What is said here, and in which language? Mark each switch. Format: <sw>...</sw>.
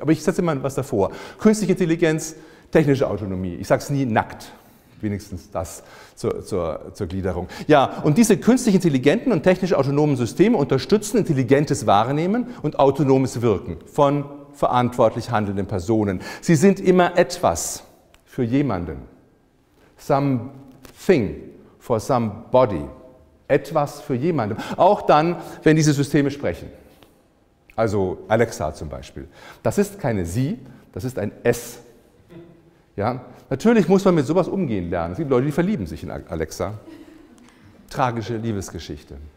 <de>Aber ich setze mal was davor. Künstliche Intelligenz, technische Autonomie. Ich sage es nie nackt. Wenigstens das zur Gliederung. Ja, und diese künstlich intelligenten und technisch autonomen Systeme unterstützen intelligentes Wahrnehmen und autonomes Wirken von verantwortlich handelnden Personen. Sie sind immer etwas für jemanden.</de> <en>Something for somebody.</en> <de>Etwas für jemanden, auch dann, wenn diese Systeme sprechen. Also Alexa zum Beispiel. Das ist keine Sie, das ist ein Es. Ja? Natürlich muss man mit sowas umgehen lernen. Es gibt Leute, die verlieben sich in Alexa. Tragische Liebesgeschichte.</de>